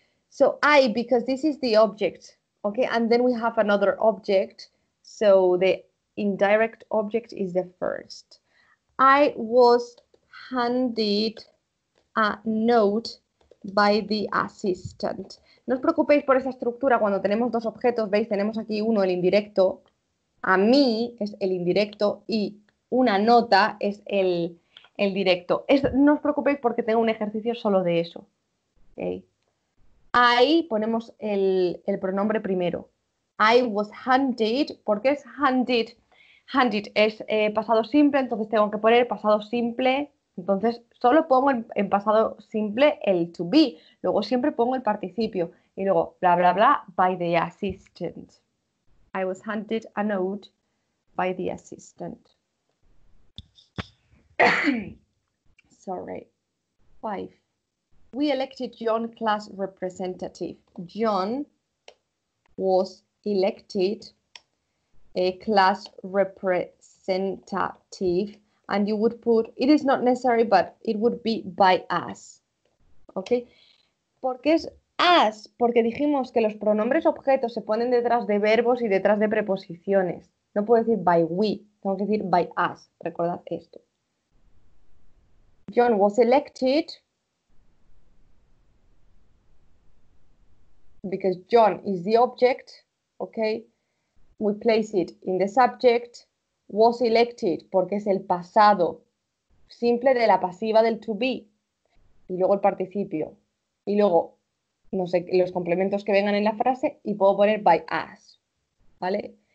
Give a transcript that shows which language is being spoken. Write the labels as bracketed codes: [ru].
[en] So I, because this is the object, okay? And then we have another object. So the indirect object is the first. I was handed a note by the assistant. [es] No os preocupéis por esa estructura cuando tenemos dos objetos, veis, tenemos aquí uno, el indirecto. A mí es el indirecto y una nota es el directo. No os preocupéis porque tengo un ejercicio solo de eso. Okay. Ahí ponemos el pronombre primero. [en] I was handed, [es] porque es handed. Handed es pasado simple, entonces tengo que poner pasado simple. Entonces solo pongo en pasado simple el to be. Luego siempre pongo el participio. Y luego bla, bla, bla, [en] by the assistant. I was handed a note by the assistant. Sorry. Five. We elected John class representative. John was elected a class representative, and you would put, it is not necessary, but it would be by us, okay? [es] Porque es us, porque dijimos que los pronombres objetos se ponen detrás de verbos y detrás de preposiciones. No puedo decir by we, tengo que decir by us, recordad esto. [en] John was elected, because John is the object. Okay, we place it in the subject, was elected, [es] porque es el pasado simple de la pasiva del to be, y luego el participio, y luego, no sé, los complementos que vengan en la frase, y puedo poner by us, ¿vale?